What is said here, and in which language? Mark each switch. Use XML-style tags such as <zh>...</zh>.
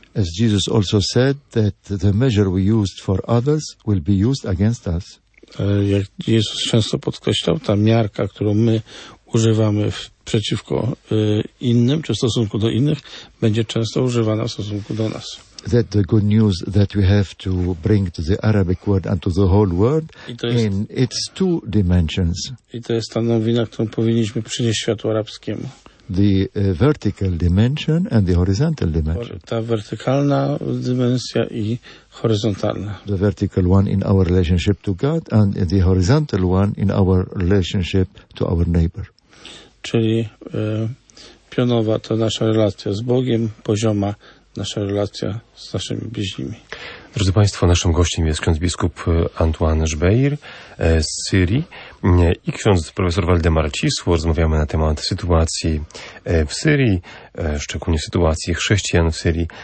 <en>As Jesus also said, that the measure we used for others will be used against us.</en> <pl>Jak Jezus często podkreślał, ta miarka, którą my używamy przeciwko innym, czy w stosunku do innych, będzie często używana w stosunku do nas.</pl> <en>That the good news that we have to bring to the Arabic world and to the whole world in its two dimensions.</en> <pl>I to jest ta nowina, którą powinniśmy przynieść światu arabskiemu.</pl> <en>The vertical dimension and the horizontal dimension.</en> <pl>Ta wertykalna dimensja i horyzontalna.</pl> <en>The vertical one in our relationship to God and the horizontal one in our relationship to our neighbor.</en> <pl>Czyli pionowa to nasza relacja z Bogiem, pozioma nasza relacja z naszymi bliźnimi. Drodzy Państwo, naszym gościem jest ksiądz biskup Antoine Jbeir z Syrii i ksiądz profesor Waldemar Cisło. Rozmawiamy na temat sytuacji w Syrii, szczególnie sytuacji chrześcijan w Syrii.</pl>